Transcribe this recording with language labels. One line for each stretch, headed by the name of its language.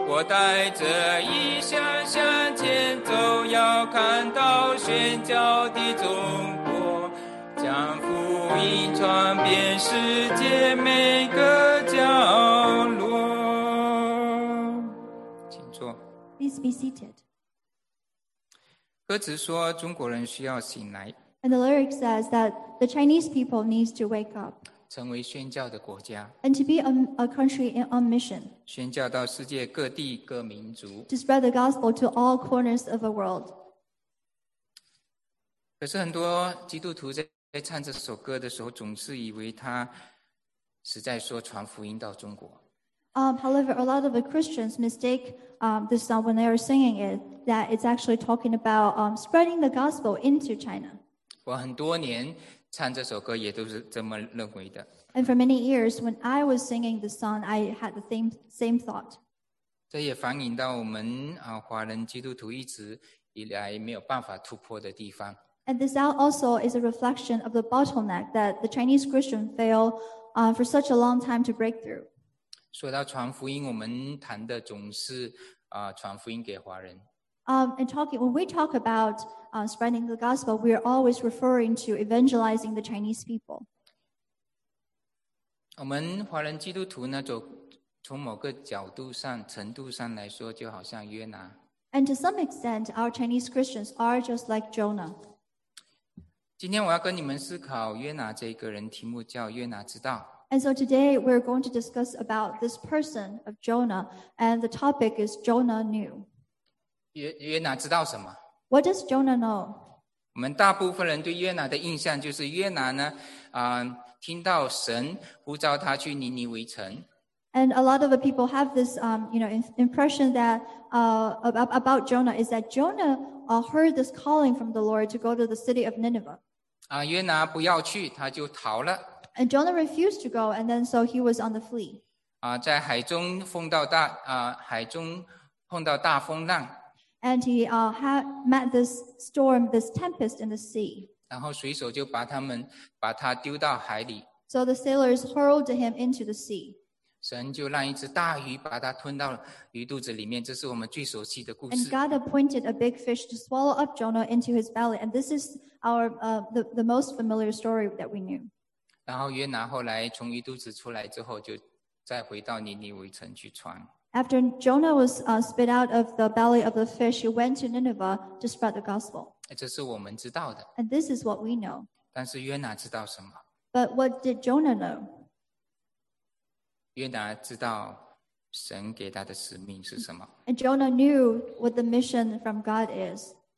Chinese: 我带着异象向前走，要看到宣教的中国，将福音传遍世界每个角落。请坐。
English: Please be seated.
Chinese: 歌词说中国人需要醒来。
English: And the lyric says that the Chinese people needs to wake up.
Chinese: 成为宣教的国家。
English: And to be a country on mission.
Chinese: 宣教到世界各地各民族。
English: To spread the gospel to all corners of the world.
Chinese: 可是很多基督徒在唱这首歌的时候，总是以为他是在说传福音到中国。
English: However, a lot of the Christians mistake this song when they are singing it, that it's actually talking about spreading the gospel into China.
Chinese: 我很多年唱这首歌也都是这么认为的。
English: And for many years, when I was singing this song, I had the same thought.
Chinese: 这也反映到我们华人基督徒一直以来没有办法突破的地方。
English: And this also is a reflection of the bottleneck that the Chinese Christian failed for such a long time to break through.
Chinese: 说到传福音，我们谈的总是传福音给华人。
English: And talking, when we talk about spreading the gospel, we are always referring to evangelizing the Chinese people.
Chinese: 我们华人基督徒呢，从某个角度上、程度上来说，就好像约拿。
English: And to some extent, our Chinese Christians are just like Jonah.
Chinese: 今天我要跟你们思考约拿这个人，题目叫约拿之道。
English: And so today we're going to discuss about this person of Jonah, and the topic is Jonah knew.
Chinese: 约拿知道什么？
English: What does Jonah know?
Chinese: 我们大部分人对约拿的印象就是约拿呢，听到神呼召他去尼尼微城。
English: And a lot of the people have this, impression that about Jonah is that Jonah heard this calling from the Lord to go to the city of Nineveh.
Chinese: 约拿不要去，他就逃了。
English: And Jonah refused to go, and then so he was on the flee.
Chinese: 在海中碰到大海中碰到大风浪。
English: And he had met this storm, this tempest in the sea.
Chinese: 然后水手就把他丢到海里。
English: So the sailors hurled him into the sea.
Chinese: 神就让一只大鱼把他吞到鱼肚子里面，这是我们最熟悉的故事。
English: And God appointed a big fish to swallow up Jonah into his belly, and this is our the most familiar story that we knew.
Chinese: 然后约拿后来从鱼肚子出来之后，就再回到尼尼微城去传。
English: After Jonah was spit out of the belly of the fish, he went to Nineveh to spread the gospel.
Chinese: 这是我们知道的。
English: And this is what we know.
Chinese: 但是约拿知道什么？
English: But what did Jonah know?
Chinese: 约拿知道神给他的使命是什么。
English: And Jonah knew what the mission from God is.